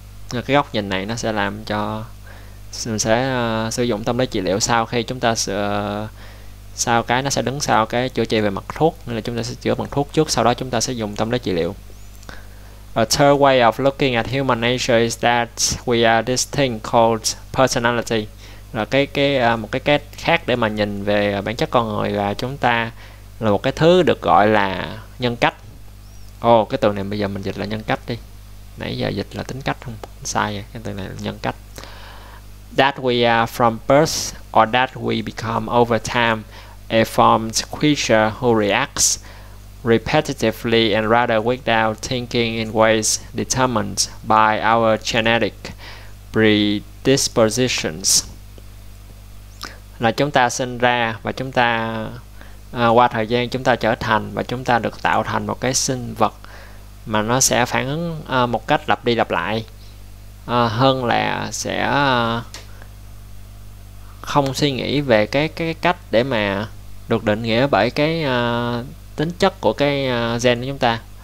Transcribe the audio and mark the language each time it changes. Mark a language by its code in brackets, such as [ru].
[vi] Và cái góc nhìn này nó sẽ làm cho mình sẽ sử dụng tâm lý trị liệu sau khi chúng ta sau cái nó sẽ đứng sau cái chữa trị về mặt thuốc, nên là chúng ta sẽ chữa bằng thuốc trước, sau đó chúng ta sẽ dùng tâm lý trị liệu. [en] A third way of looking at human nature is that we are this thing called personality. [vi] Là một cái cách khác để mà nhìn về bản chất con người là chúng ta là một cái thứ được gọi là nhân cách. Cái từ này bây giờ mình dịch là nhân cách đi. Nãy giờ dịch là tính cách không? Sai rồi, cái từ này là nhân cách. [en] That we are from birth or that we become over time a formed creature who reacts repetitively and rather without thinking in ways determined by our genetic predispositions. [vi] Là chúng ta sinh ra và chúng ta qua thời gian chúng ta trở thành và chúng ta được tạo thành một cái sinh vật mà nó sẽ phản ứng một cách lặp đi lặp lại hơn là sẽ không suy nghĩ về cái cách để mà được định nghĩa bởi cái tính chất của cái gen của chúng ta.